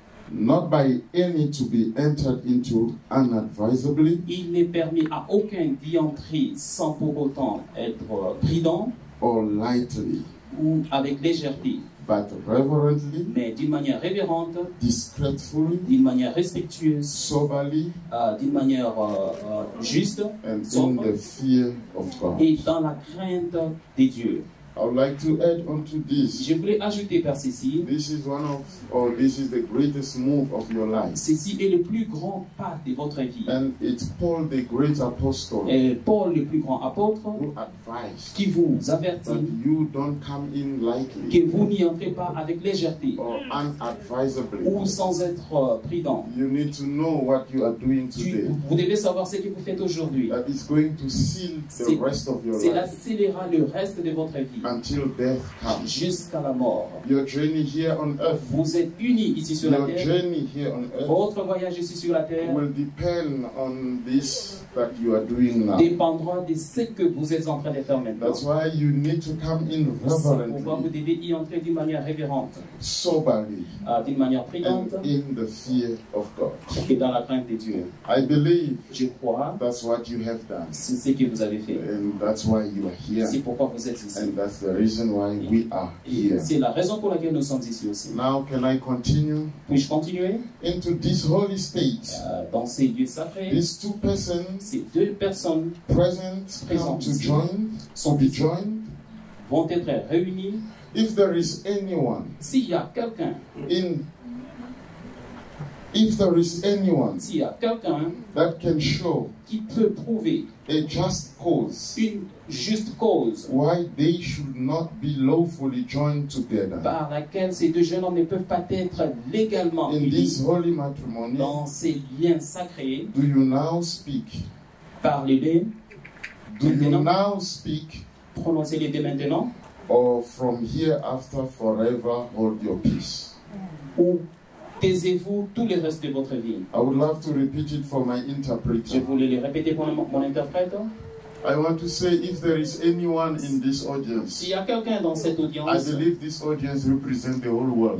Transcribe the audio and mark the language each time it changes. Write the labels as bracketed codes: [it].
[en] Not by any to be entered into unadvisably. [fr] Il n'est permis à aucun d'y entrer sans pour autant être prudent. [en] Or lightly. [fr] Ou avec légèreté. [en] But reverently. [fr] Mais d'une manière révérente. [en] Discreetly. [fr] D'une manière respectueuse. [en] Soberly. [fr] D'une manière juste. [en] And sobre, in the fear of God. [fr] Et dans la crainte des dieux. [en] I would like to add on to this. [fr] Je voudrais ajouter par ceci. [en] This is one of, or this is the greatest move of your life. [fr] Ceci est le plus grand pas de votre vie. [en] And it's Paul, the great apostle. [fr] Et Paul, le plus grand apôtre, [en] who advised, [fr] qui vous avertit, [en] that you don't come in lightly, [fr] que vous n'y entrez pas avec légèreté, [en] or unadvisably, [fr] ou sans être prudent. [en] You need to know what you are doing today. [fr] Vous devez savoir ce que vous faites aujourd'hui. [en] That is going to seal the rest of your [fr] life. Cela scellera le reste de votre vie. [en] Until death comes. [fr] Jusqu'à la mort. [en] Your journey here on earth. [fr] Vous êtes unis ici sur [en] your [fr] la terre. [en] Journey here on earth. [fr] Votre voyage ici sur la terre. [en] Will depend on this that you are doing now. [fr] Dépendra de ce que vous êtes en train de faire maintenant. [en] That's why you need to come in reverently. [fr] Pourquoi vous devez y entrer d'une manière révérente. [en] Soberly. [fr] D'une manière prudente. [en] And in the fear of God. [fr] Et dans la crainte de Dieu. [en] I believe. [fr] Je crois. [en] That's what you have done. [fr] C'est ce que vous avez fait. [en] And that's why you are here. [fr] C'est pourquoi vous êtes ici. [en] And that's the reason why we are here. [fr] C'est la raison pour laquelle nous sommes ici aussi. [en] Now can I continue? [fr] Puis-je continuer? [en] Into this holy state. [fr] Dans ces lieux sacrés. [en] These two persons. [fr] Ces deux personnes. [en] Present. [fr] Présentes. [en] To join. [fr] Sont [en] be joined. [fr] Vont être réunis. [en] If there is anyone. [fr] S'il y a quelqu'un. [en] In. If there is anyone. [fr] S'il y a quelqu'un. [en] That can show. [fr] Qui peut prouver. [en] A just cause. [fr] Une juste cause. [en] Why they should not be lawfully joined together. [fr] Par laquelle ces deux jeunes hommes ne peuvent pas être légalement [en] unis. In this holy matrimony. [fr] Dans ces liens sacrés. [en] Do you now speak? [fr] Parlez-les. [en] Do you now speak? [fr] Prononcez-les dès maintenant. [en] Or from here after forever hold your peace. [fr] Ou taisez-vous tout le reste de votre vie. [en] I would love to repeat it for my interpreter. [fr] Je voulais le répéter pour mon interprète. [en] I want to say if there is anyone in this audience. [fr] S'il y a quelqu'un dans cette audience. [en] I believe this audience represents the whole world.